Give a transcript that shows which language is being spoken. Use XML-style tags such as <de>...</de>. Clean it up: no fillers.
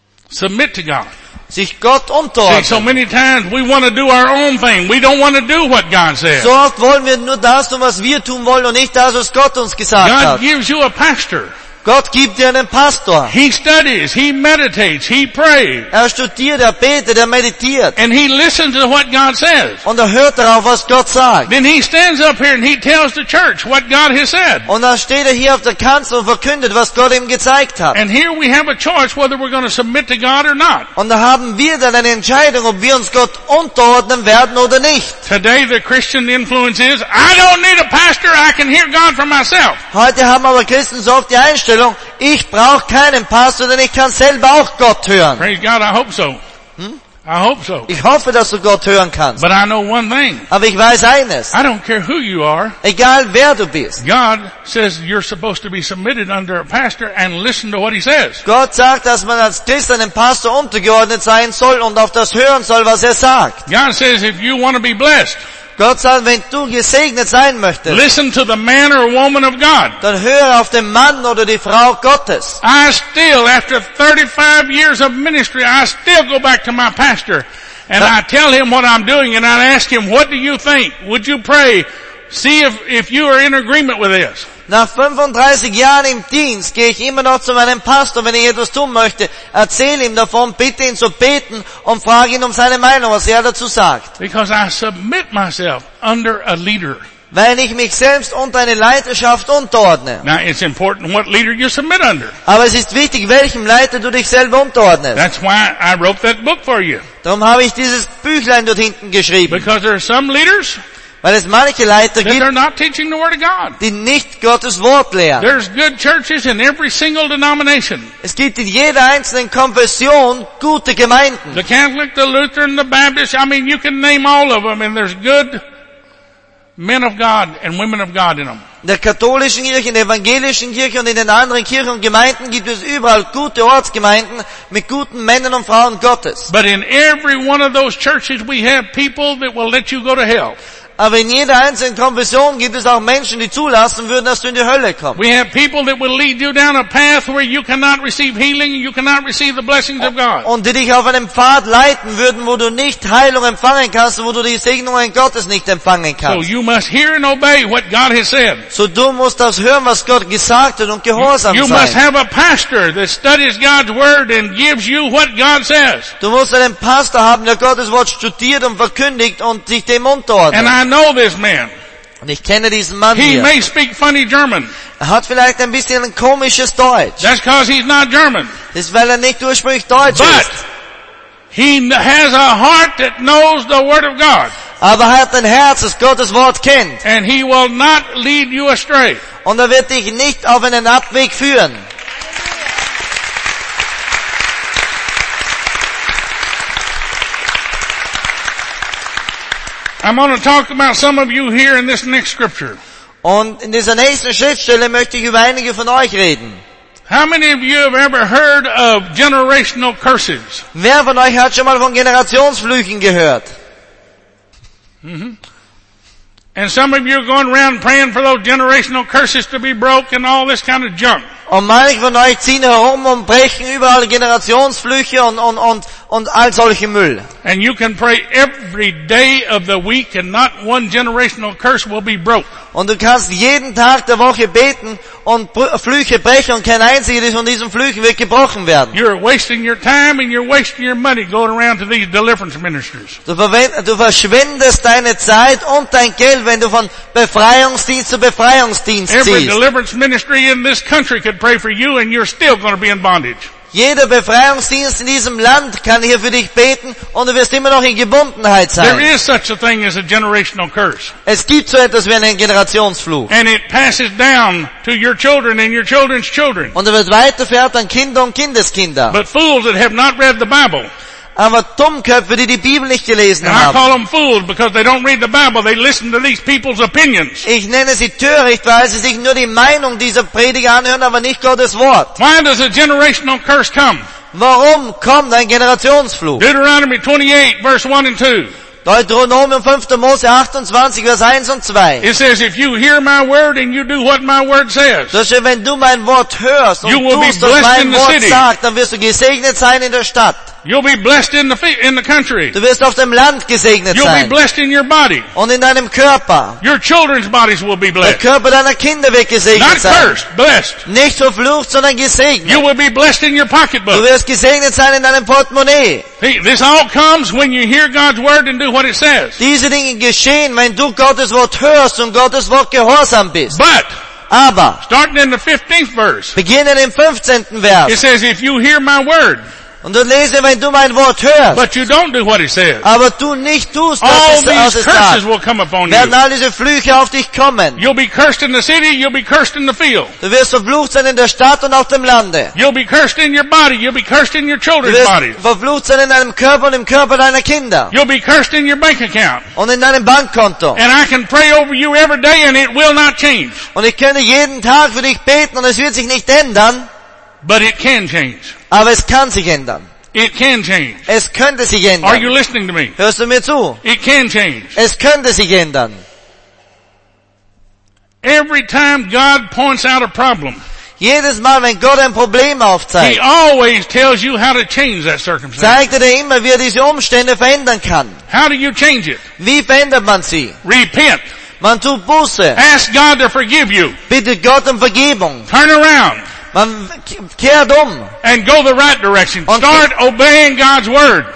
<en>Submit to God.</en> <de>Sich Gott unterordnen.</de> <en>See, so many times we want to do our own thing. We don't want to do what God says.</en> <de>So oft wollen wir nur das tun, was wir tun wollen und nicht das, was Gott uns gesagt</de> <en>God</en> <de>hat.</de> <en>God gives you a pastor.</en> <de>Gott gibt dir einen Pastor.</de> <en>He studies, he meditates, he prays.</en> <de>Er studiert, er betet, er meditiert.</de> <en>And he listens to what God says.</en> <de>Und er hört darauf, was Gott sagt.</de> <en>Then he stands up here and he tells the church what God has said.</en> <de>Und dann steht er hier auf der Kanzel und verkündet, was Gott ihm gezeigt hat.</de> <en>And here we have a choice whether we're going to submit to God or not.</en> <de>Und da haben wir dann eine Entscheidung, ob wir uns Gott unterordnen werden oder nicht.</de> <en>Today the Christian influence is, I don't need a pastor, I can hear God for myself.</en> <de>Heute haben aber Christen so oft die Einstellung, ich brauche keinen Pastor, denn ich kann selber auch Gott hören.</de> <en>Praise God, I hope so. I hope so.</en> <de>Ich hoffe, dass du Gott hören kannst.</de> <en>But I know one thing.</en> <de>Aber ich weiß eines.</de> <en>I don't care who you are.</en> <de>Egal wer du bist.</de> <en>God says you're supposed to be submitted under a pastor and listen to what he says.</en> <de>Gott sagt, dass man als Christ einem Pastor untergeordnet sein soll und auf das hören soll, was er sagt.</de> <en>God says if you want to be blessed,</en> <de>Gott sagt, wenn du gesegnet sein möchtest,</de> <en>listen to the man or woman of God.</en> <de>Dann hör auf den Mann oder die Frau Gottes.</de> <en>I still, after 35 years of ministry, I still go back to my pastor and I tell him what I'm doing and I ask him, what do you think? Would you pray? See if you are in agreement with this.</en> <de>Nach 35 Jahren im Dienst gehe ich immer noch zu meinem Pastor, wenn ich etwas tun möchte. Erzähle ihm davon, bitte ihn zu beten und frage ihn um seine Meinung, was er dazu sagt.</de> <en>Because I submit myself under a leader.</en> <de>Weil ich mich selbst unter eine Leiterschaft unterordne.</de> <en>Now it's important what leader you submit under.</en> <de>Aber es ist wichtig, welchem Leiter du dich selber unterordnest.</de> <en>That's why I wrote that book for you.</en> <de>Darum habe ich dieses Büchlein dort hinten geschrieben.</de> <en>Because there are some leaders,</en> <de>weil es manche Leiter gibt,</de> <en>they're not teaching the word of God.</en> <de>Die nicht Gottes Wort lehren.</de> <en>There's good churches in every single denomination.</en> <de>Es gibt in jeder einzelnen Konfession gute Gemeinden.</de> <en>The Catholic, the Lutheran, the Baptist, I mean, you can name all of them, and there's good men of God and women of God in them.</en> <de>In der katholischen Kirche, in der evangelischen Kirche und in den anderen Kirchen und Gemeinden gibt es überall gute Ortsgemeinden mit guten Männern und Frauen Gottes.</de> <en>But in every one of those churches we have people that will let you go to hell.</en> <de>Aber in jeder einzelnen Konfession gibt es auch Menschen, die zulassen würden, dass du in die Hölle kommst.</de> <en>We have people that will lead you down a path where you cannot receive healing and you cannot receive the blessings of God.</en> <de>Und die dich auf einem Pfad leiten würden, wo du nicht Heilung empfangen kannst, wo du die Segnungen Gottes nicht empfangen kannst.</de> <en>So you must hear and obey what God has said.</en> <de>So du musst das hören, was Gott gesagt hat und gehorsam sein.</de> <en>You must have a pastor that studies God's word and gives you what God says.</en> <de>Du musst einen Pastor haben, der Gottes Wort studiert und verkündigt und dich dem unterordnet.</de> <en>I know this man.</en> <de>Und ich kenne diesen Mann hier.</de> <en>He may speak funny German.</en> <de>Er hat vielleicht ein bisschen ein komisches Deutsch.</de> <en>That's because he's not German.</en> <de>Das ist, weil er nicht ursprünglich Deutsch</de> <en>but</en> <de>ist.</de> <en>He has a heart that knows the word of God.</en> <de>Aber hat ein Herz, das Gottes Wort kennt.</de> <en>And he will not lead you astray.</en> <de>Und wird dich nicht auf einen Abweg führen.</de> <en>I'm going to talk about some of you here in this next scripture.</en> <de>Und in dieser nächsten Schriftstelle möchte ich über einige von euch reden.</de> <en>How many of you have ever heard of generational curses?</en> <de>Wer von euch hat schon mal von Generationsflüchen gehört?</de> <en>And some of you are going around praying for those generational curses to be broke and all this kind of junk.</en> <de>Und manche von euch ziehen herum und brechen überall Generationsflüche und all solche Müll.</de> <en>And you can pray every day of the week and not one generational curse will be broke.</en> <de>Und du kannst jeden Tag der Woche beten und Flüche brechen und kein einziger von diesen Flüchen wird gebrochen werden.</de> <en>You're wasting your time and you're wasting your money going around to these deliverance ministers.</en> <de>Du verschwendest deine Zeit und dein Geld, wenn du von Befreiungsdienst zu Befreiungsdienst ziehst.</de> <en>Every deliverance ministry in this country could pray for you and you're still going to be in bondage.</en> <de>Jeder Befreiungsdienst in diesem Land kann hier für dich beten und du wirst immer noch in Gebundenheit sein.</de> <en>There is such a thing as a generational curse.</en> <de>Es gibt so etwas wie einen Generationsfluch.</de> <en>And it passes down to your children and your children's children.</en> <de>Und er wird weitervererbt an Kinder und Kindeskinder.</de> <en>But fools that have not read the Bible.</en> <de>Aber Dummköpfe, die die Bibel nicht gelesen haben.</de> <en>And I call them fools because they don't read the Bible. They listen to these people's opinions.</en> <de>Ich nenne sie töricht, weil sie sich nur die Meinung dieser Prediger anhören, aber nicht Gottes Wort.</de> <en>Why does a generational curse come?</en> <de>Warum kommt ein Generationsfluch?</de> <en>Deuteronomy 28, verse 1 and 2.</en> <de>Deuteronomium 5. Mose 28, Vers 1 und 2.</de> <en>It says, if you hear my word and you do what my word says,</en> <de>das heißt, wenn du mein Wort hörst und</de> <en>you will</en> <de>tust,</de> <en>be blessed</en> <de>mein Wort</de> <en>in the city.</en> <de>Sagt, dann wirst du gesegnet sein in der Stadt.</de> <en>You'll be blessed in the country.</en> <de>Du wirst auf dem Land gesegnet</de> <en>You'll</en> <de>sein.</de> <en>Be blessed in your body.</en> <de>Und in deinem Körper.</de> <en>Your children's bodies will be blessed.</en> <de>Der Körper deiner Kinder wird gesegnet</de> <en>Not</en> <de>sein.</de> <en>Cursed, blessed.</en> <de>Nicht verflucht, sondern gesegnet.</de> <en>You will be blessed in your pocketbook.</en> <de>Du wirst gesegnet sein in deinem Portemonnaie.</de> <en>This all comes when you hear God's word and do what it says.</en> <de>Diese Dinge geschehen, wenn du Gottes Wort hörst und Gottes Wort gehorsam bist.</de> <en>But</en> <de>aber</de> <en>starting in the 15th verse.</en> <de>Beginnen im 15. Vers.</de> <en>It says if you hear my word.</en> <de>Und du lese, wenn du mein Wort hörst.</de> <en>But you don't do what he says.</en> <de>Aber du nicht tust, was</de> <en>all</en> <de>es sagt.</de> <en>Curses will come upon you.</en> <de>Werden all diese Flüche auf dich kommen.</de> <en>You'll be cursed in the city, you'll be cursed in the field.</en> <de>Du wirst verflucht sein in der Stadt und auf dem Lande.</de> <en>You'll be cursed in your body, you'll be cursed in your children's bodies.</en> <de>Du wirst verflucht sein in deinem Körper und im Körper deiner Kinder.</de> <en>You'll be cursed in your bank account.</en> <de>Und in deinem Bankkonto.</de> <en>And I can pray over you every day and it will not change.</en> <de>Und ich könnte jeden Tag für dich beten und es wird sich nicht ändern.</de> <en>But it can change.</en> <de>Aber es kann sich ändern.</de> <en>It can change.</en> <de>Es könnte sich ändern.</de> <en>Are you listening to me?</en> <de>Hörst du mir zu?</de> <en>It can change.</en> <de>Es könnte sich ändern.</de> <en>Every time God points out a problem,</en> <de>jedes Mal, wenn Gott ein Problem aufzeigt,</de> <en>he always tells you how to change that circumstance.</en> <de>Zeigt er dir immer, wie er diese Umstände verändern kann.</de> <en>How do you change it?</en> <de>Wie verändert man sie?</de> <en>Repent.</en> <de>Man tut Buße.</de> <en>Ask God to forgive you.</en> <de>Bitte Gott um Vergebung.</de> <en>Turn around.</en> <de>Man kehrt um.</de> <en>And go the right direction. Start obeying God's word.</en>